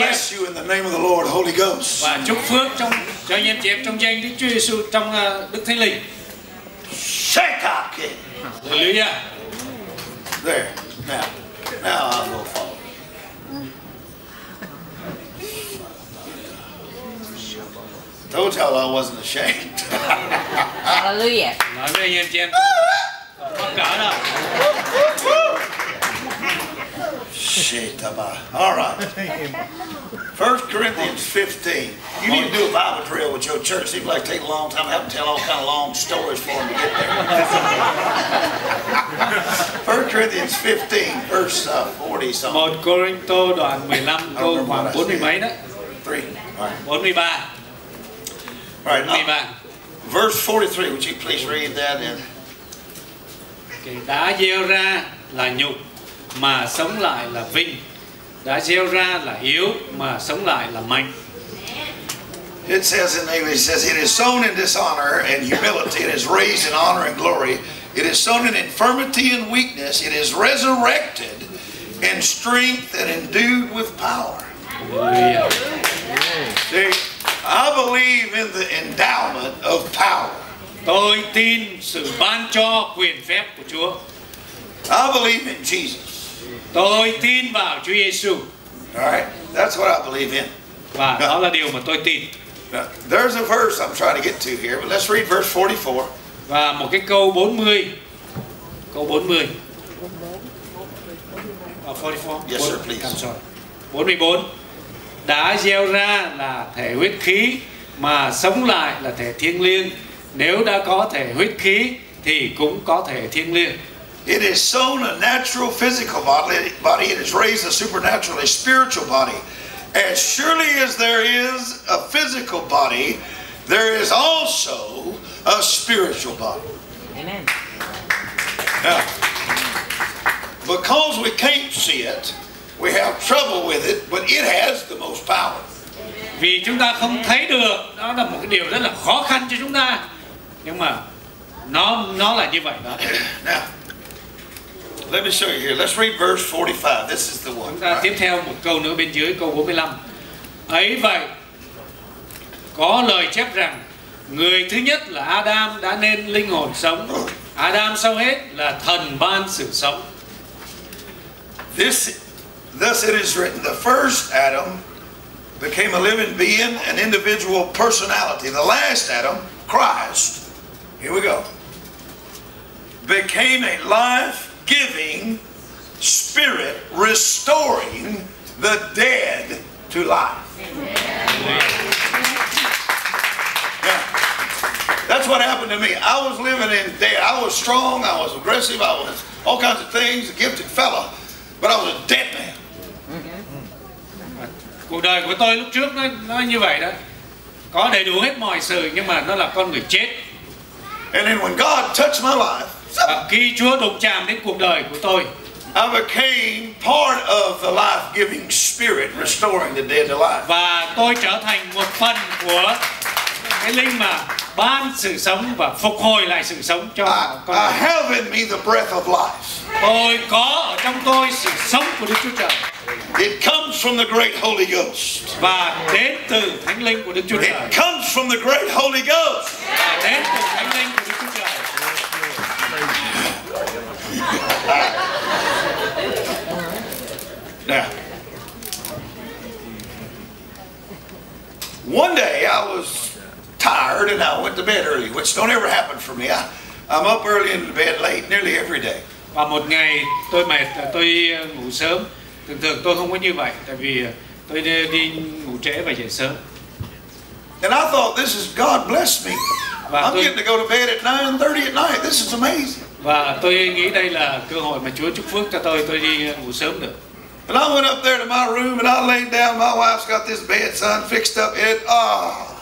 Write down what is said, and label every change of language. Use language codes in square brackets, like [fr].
[en] Bless you in the name of the Lord, Holy Ghost. [vi] Và chúc phước trong cho anh em chị trong danh Đức Chúa Giêsu trong Đức Thánh Linh. [en] Shake up. Hallelujah. There. Now I'm going to fall. Told y'all I wasn't ashamed. Hallelujah. [vi] Nói với anh em chị. [en] Shit, all right. 1 Corinthians 15. You need to do a Bible drill with your church. It seems like it takes a long time. I have to tell all kind of long stories for them to get there. 1 Corinthians 15, verse 40 something. [vi] 1 Corinto đoạn 15 câu khoảng 40 mấy đó. [en] 3. 43. Right. 43. Verse 43. Would you please read that in? [vi] Đã gieo ra là nhục mà sống lại là vinh. Đã gieo ra là yếu mà sống lại là mạnh. [en] It says in English, it says, it is sown in dishonor and humility. It is raised in honor and glory. It is sown in infirmity and weakness. It is resurrected in strength and endued with power. See, I believe in the endowment of power. [vi] Tôi tin sự ban cho quyền phép của Chúa. [en] I believe in Jesus. [vi] Tôi tin vào Chúa Giêsu. [en] All right, that's what I believe in. [vi] Và now, đó là điều mà tôi tin. [en] Now, there's a verse I'm trying to get to here, but let's read verse 44. [vi] Và một cái câu 40. Câu 40. [en] 44. Yes, sir, please. I'm sorry. 44. [vi] Đã gieo ra là thể huyết khí, mà sống lại là thể thiêng liêng. Nếu đã có thể huyết khí thì cũng có thể thiêng liêng. [en] It is sown a natural physical body, it is raised a supernaturally spiritual body. As surely as there is a physical body, there is also a spiritual body. Amen. Now, because we can't see it, we have trouble with it, but it has the most power. [vi] Vì chúng ta không thấy được, đó là một cái điều rất là khó khăn cho chúng ta. Nhưng mà nó là như vậy đó. [en] Now, let me show you here. Let's read verse 45. This is the one. [vi] Chúng ta right. Tiếp theo một câu nữa bên dưới câu 45. Ấy vậy, có lời chép rằng người thứ nhất là Adam đã nên linh hồn sống. Adam sau hết là thần ban sự sống. [en] Thus it is written, the first Adam became a living being, an individual personality. The last Adam, Christ. Here we go. Became a life-giving spirit, restoring the dead to life. Yeah. That's what happened to me. I was living in dead. I was strong. I was aggressive. I was all kinds of things, a gifted fella, but I was a dead man. [vi] Cuộc đời của tôi lúc trước nó như vậy đó. Có đầy đủ hết mọi sự nhưng mà nó là con người chết. [en] And then when God touched my life, [vi] khi Chúa đụng chạm đến cuộc đời của tôi, [en] I became part of the life-giving spirit, restoring the dead to life. [vi] Và tôi trở thành một phần của cái linh mà ban sự sống và phục hồi lại sự sống cho con. [en] I have in me the breath of life. [vi] Tôi có ở trong tôi sự sống của Đức Chúa Trời. [en] It comes from the great Holy Ghost. [vi] Và đến từ Thánh Linh của Đức Chúa Trời. [en] It comes from the great Holy Ghost. [vi] Và đến từ Thánh Linh của Đức Chúa Trời. [en] Now, one day I was tired and I went to bed early, which don't ever happen for me. I'm up early and in bed late nearly every day. [vi] Và một ngày tôi mệt, tôi ngủ sớm. Thường thường tôi không có như vậy, tại vì tôi đi ngủ trễ và dậy sớm. [en] And I thought, this is God bless me. I'm getting to go to bed at 9:30 at night. This is amazing. [vi] Và tôi nghĩ đây là cơ hội mà Chúa chúc phước cho tôi đi ngủ sớm được. [en] And I went up there to my room and I laid down. My wife's got this bed, son, fixed up it. Oh.